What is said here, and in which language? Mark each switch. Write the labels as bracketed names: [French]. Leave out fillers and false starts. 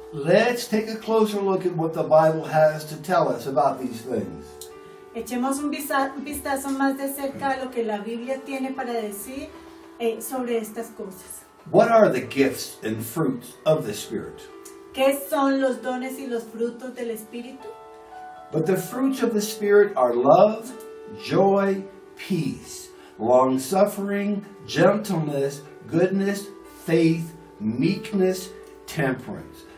[English] Let's take a closer look at what the Bible has to tell us about these things. [Spanish] Echemos un vistazo más de cerca a lo que la Biblia tiene para decir sobre estas cosas. [English] What are the gifts and fruits of the Spirit? [Spanish] ¿Qué son los dones y los frutos del Espíritu? [English] But the fruits of the Spirit are love, joy, peace, long-suffering, gentleness, goodness, faith, meekness, temperance.